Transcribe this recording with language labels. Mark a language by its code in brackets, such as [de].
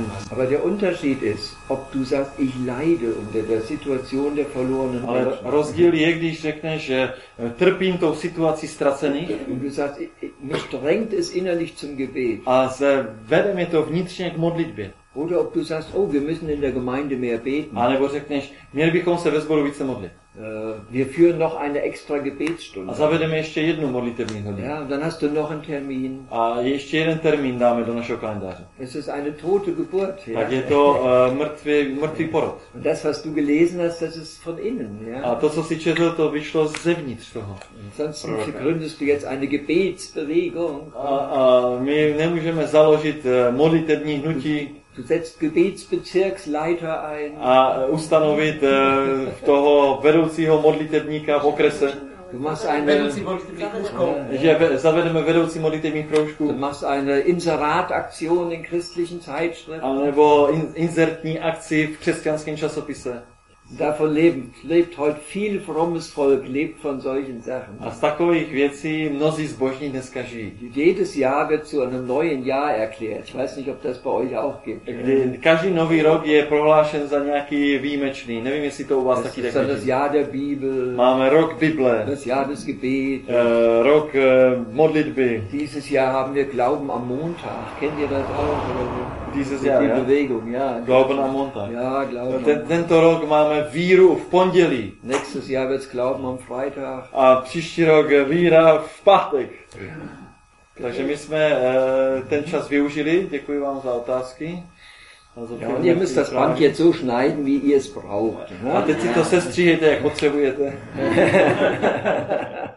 [de] Aber der Unterschied ist, ob du sagst, ich leide unter der Situation der verlorenen Menschen. [cs] Ale rozdíl je, když řekneš, že trpím tou situací ztracených. [de] Und du sagst, mich drängt es innerlich zum Gebet. [cs] A se vede mě to vnitřně k modlitbě. [de] Oder ob du sagst, oh, wir müssen in der Gemeinde mehr beten. [cs] A nebo řekneš, měli bychom se ve sboru více modlit. [de] Wir führen noch eine extra Gebetsstunde. [cs] A zavedeme ještě jednu modlitevní hodinu. [de] Ja, dann hast du noch einen Termin. [cs] A ještě jeden termín dáme do našeho kalendáře. [de] Es ist eine tote Geburt, [cs] ja. Tak je to mrtvý porod. [de] Und das, was du gelesen hast, das ist von innen, ja. [cs] A to, co si četl, to vyšlo zevnitř toho. [de] Sonst gründest du jetzt eine Gebetsbewegung. [cs] A my nemůžeme založit modlitevní hnutí. [de] Du setzt Gebetsbezirksleiter ein. [cs] A ustanovit toho vedoucího modlitebníka v okrese. [de] Du machst eine [cs] vedoucí modlitební kroužku. Že zavedeme vedoucí modlitební kroužku. [de] Du machst eine Inserataktion in christlichen Zeitschriften. [cs] A nebo inzertní akci v křesťanském časopise. [de] Davon lebt heute viel frommes Volk, lebt von solchen Sachen. [cs] A z takových věcí mnozí zbožní dneska žijí. [de] Jedes Jahr wird zu einem neuen Jahr erklärt. Ich weiß nicht, ob das bei euch auch gibt. [cs] Každý nový rok je prohlášen za nějaký výjimečný. Nevím, jestli to u vás taky tak [de] vidí. Das Jahr der Bibel. [cs] Máme rok Bible. [de] Das Jahr des Gebets. [cs] Rok modlitby. [de] Dieses Jahr haben wir Glauben am Montag. Kennt ihr das auch? Dieses Jahr, die Bewegung, ja. Glauben am Montag. Ja, Glauben. [cs] Tento rok máme víru v pondělí. [de] Nächstes Jahr wird's Glauben am Freitag. [cs] A příští rok víra v pátek. Takže my jsme ten čas využili. Děkuji vám za otázky. [de] Ja, und ihr müsst das Band jetzt so schneiden, wie ihr es braucht. [cs] A teď si to sestříhejte, jak potřebujete.